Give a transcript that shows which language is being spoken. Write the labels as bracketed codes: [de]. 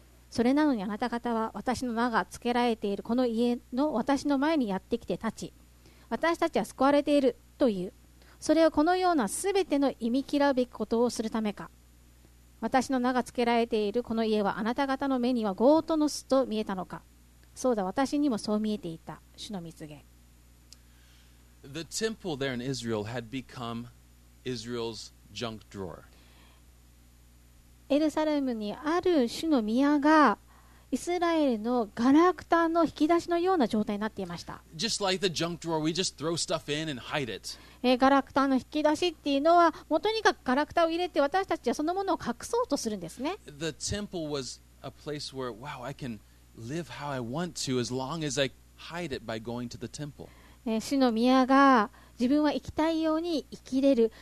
[ja] それなのにあなた方は私の名が付けられているこの家の私の前にやってきて立ち、私たちは救われているという。それはこのようなすべての忌み嫌うべきことをするためか。私の名が付けられているこの家はあなた方の目には強盗の巣と見えたのか。そうだ、私にもそう見えていた。主の御告げ。 [en] The temple there in Israel had become Israel's junk drawer. [ja] エルサレムにある主の宮がイスラエルのガラクタの引き出しのような状態になっていました。 [en] Just like the junk drawer, we just throw stuff in and hide it. [ja] ガラクタの引き出しっていうのは、もうとにかくガラクタを入れて私たちはそのものを隠そうとするんですね。 [en] The temple was a place where, wow, I can live how I want to as long as I hide it by going to the temple. [ja] 主の宮が自分は生きたいように生きれる。